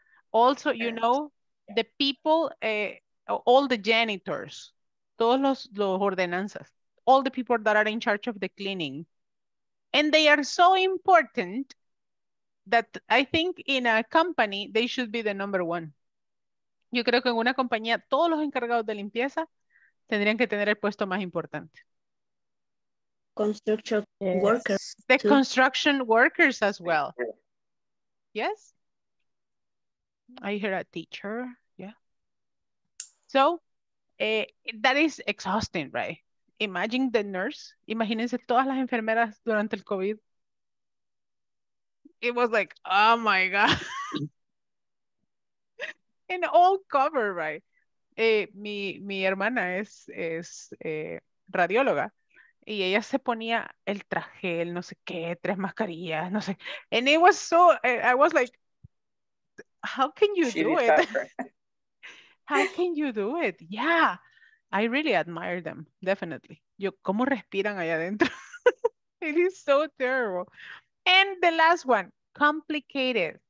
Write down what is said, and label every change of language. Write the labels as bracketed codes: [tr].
[en] Also, you know, the people, all the janitors, [es] todos los ordenanzas, [en] all the people that are in charge of the cleaning, and they are so important that I think in a company, they should be the number one. [es] Yo creo que en una compañía, todos los encargados de limpieza tendrían que tener el puesto más importante. [en] Construction workers. The construction workers as well. Yes? I hear a teacher. Yeah. So that is exhausting, right? Imagine the nurse. [es] Imagínense todas las enfermeras durante el COVID. [en] It was like, oh my God. And all cover, right? [es] Mi hermana es radióloga. Y ella se ponía el traje, el no sé qué, tres mascarillas, no sé. [en] And it was so, I was like, how can you do it? How can you do it? Yeah. I really admire them, definitely. [es] Yo, ¿cómo respiran allá adentro? [en] It is so terrible. And the last one, complicated.